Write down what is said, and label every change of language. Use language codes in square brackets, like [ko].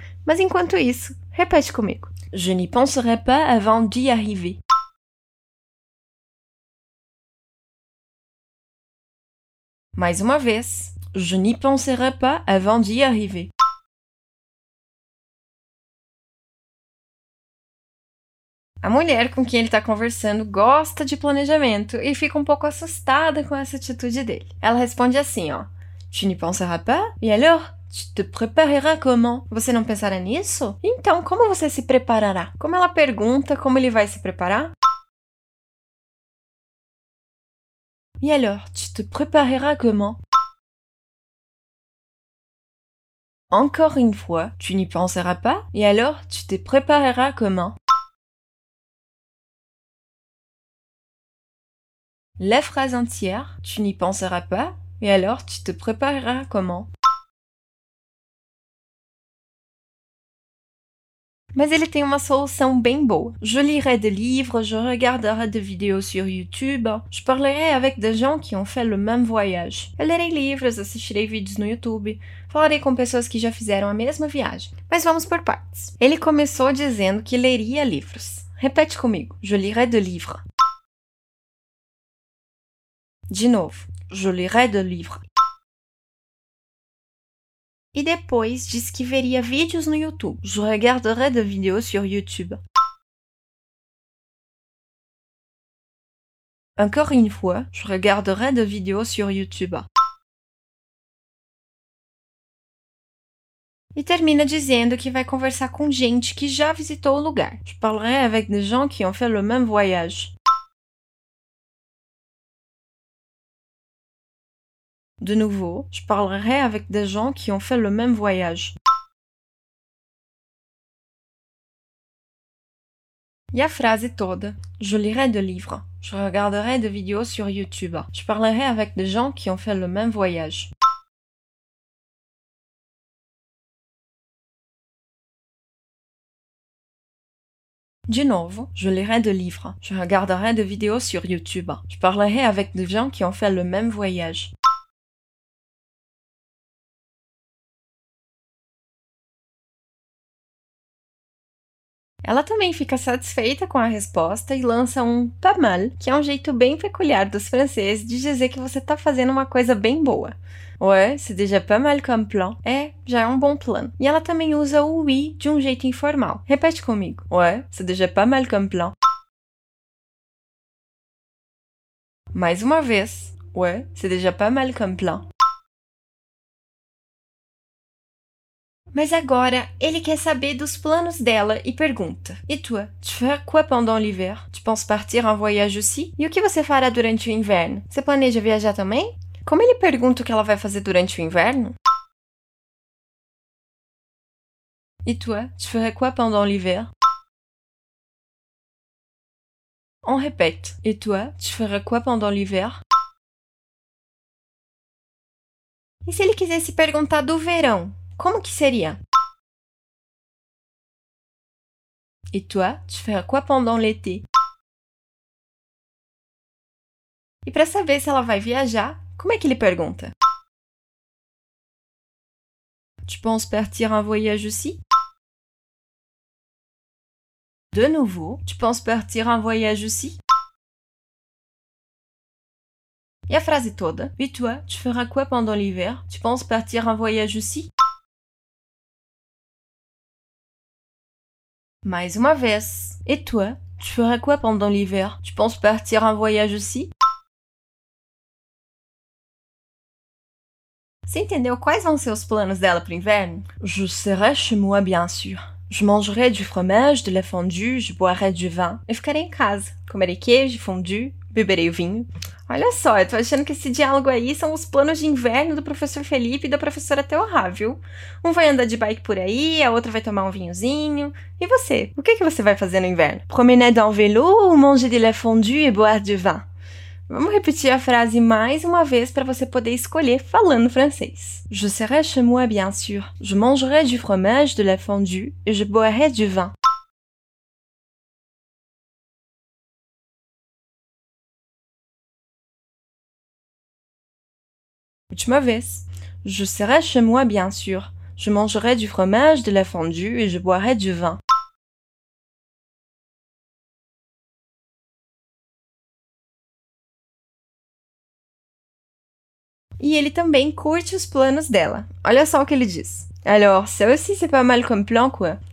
[pt] Mas enquanto isso, repete comigo. [fr] Je n'y penserai pas avant d'y arriver. [pt] Mais uma vez. [fr] Je n'y penserai pas avant d'y arriver. [pt] A mulher com quem ele está conversando gosta de planejamento e fica um pouco assustada com essa atitude dele. Ela responde assim, ó. [fr] Tu n'y penseras pas? Et alors? Tu te prépareras comment? [pt] Você não pensará nisso? Então, como você se preparará? Como ela pergunta como ele vai se preparar? [fr] Et alors? Tu te prépareras comment? Encore une fois. Tu n'y penseras pas? Et alors? Tu te prépareras comment? La phrase entière, tu n'y penseras pas, et alors tu te prépareras comment? Mais il a une solution bien bonne. Je lirai des livres, je regarderai des vidéos sur YouTube, je parlerai avec des gens qui ont fait le même voyage. Je lirai des livres, [pt] assistirai des vidéos sur YouTube, falarei com pessoas que já fizeram a mesma viagem. Mas vamos por partes. Ele começou dizendo que leria livros. Repete comigo. [fr] Je lirai des livres. [pt] De novo, [fr] je lirai des livres. [pt] E depois diz que veria vídeos no YouTube. [fr] Je regarderai des vidéos sur YouTube. Encore une fois, je regarderai des vidéos sur YouTube. [pt] E termina dizendo que vai conversar com gente que já visitou o lugar. [fr] Je parlerai avec des gens qui ont fait le même voyage. De nouveau, je parlerai avec des gens qui ont fait le même voyage. Et la phrase toute. Je lirai des livres. Je regarderai des vidéos sur YouTube. Je parlerai avec des gens qui ont fait le même voyage. De nouveau, je lirai des livres. Je regarderai des vidéos sur YouTube. Je parlerai avec des gens qui ont fait le même voyage. [pt] Ela também fica satisfeita com a resposta e lança um pas mal, que é um jeito bem peculiar dos franceses de dizer que você tá fazendo uma coisa bem boa. [fr] Ouais, c'est déjà pas mal comme plan. [pt] É, já é um bom plano. E ela também usa o oui de um jeito informal. Repete comigo. [fr] Ouais, c'est déjà pas mal comme plan. [pt] Mais uma vez. [fr] Ouais, c'est déjà pas mal comme plan. [pt] Mas agora, ele quer saber dos planos dela e pergunta. [fr] Et toi, tu fais quoi pendant l'hiver? Tu penses partir en voyage aussi? [pt] E o que você fará durante o inverno? Você planeja viajar também? Como ele pergunta o que ela vai fazer durante o inverno? [fr] Et toi, tu fais quoi pendant l'hiver? On répète. Et toi, tu fais quoi pendant l'hiver? [pt] E se ele quisesse perguntar do verão? Como que seria? [fr] Et toi, tu fais quoi pendant l'été? [pt] E para saber se ela vai viajar, como é que ele pergunta? [fr] Tu penses partir en voyage aussi? De nouveau, tu penses partir en voyage aussi? [pt] E a frase toda? [fr] Et toi, tu feras quoi pendant l'hiver? Tu penses partir en voyage aussi? [pt] Mais uma vez. [fr] Et toi, tu feras quoi pendant l'hiver? Tu penses partir en voyage aussi? [pt] Você entendeu quais vão ser os planos dela pro inverno? [fr] Je serai chez moi, bien sûr. Je mangerai du fromage, de la fondue, je boirai du vin. [pt] Eu ficarei em casa. Comerei queijo, fondue, beberei o vinho. Olha só, eu tô achando que esse diálogo aí são os planos de inverno do professor Felipe e da professora Theorá, viu? Um vai andar de bike por aí, a outra vai tomar um vinhozinho. E você? O que, que você vai fazer no inverno? [fr] Promener dans vélo ou manger de la fondue et boire du vin? [pt] Vamos repetir a frase mais uma vez para você poder escolher falando francês. [fr] Je serai chez moi, bien sûr. Je mangerai du fromage, de la fondue et je boirai du vin. [pt] Última vez. [fr] Je serai chez moi, bien sûr. Je mangerai du fromage, de la fondue et je boirai du vin. [pt] E ele também curte os planos dela. Olha só o que ele diz. [fr] Alors, ça aussi c'est pas mal comme plan, quoi.